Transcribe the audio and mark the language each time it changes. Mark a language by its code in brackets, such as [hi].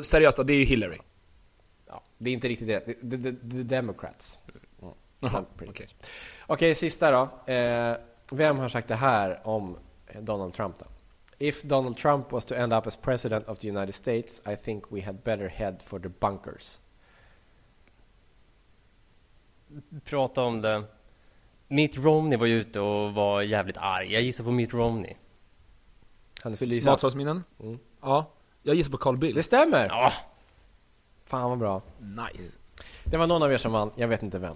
[sv] Seriöst, det är ju Hillary. Ja, det är inte riktigt det. [en] The Democrats. [sv] Okej, sista då. Vem har sagt det här om Donald Trump då? [en] If Donald Trump was to end up as president of the United States, I think we had better head for the bunkers. [sv] Prata om det. Mitt Romney var ute och var jävligt arg. Jag gissar på Mitt Romney. Hannes vill gissa. Matsalsminnen? Mm. Ja, jag gissar på Carl Bildt. Det stämmer. Ja. Fan vad bra. Nice. Mm. Det var någon av er som vann. Jag vet inte vem.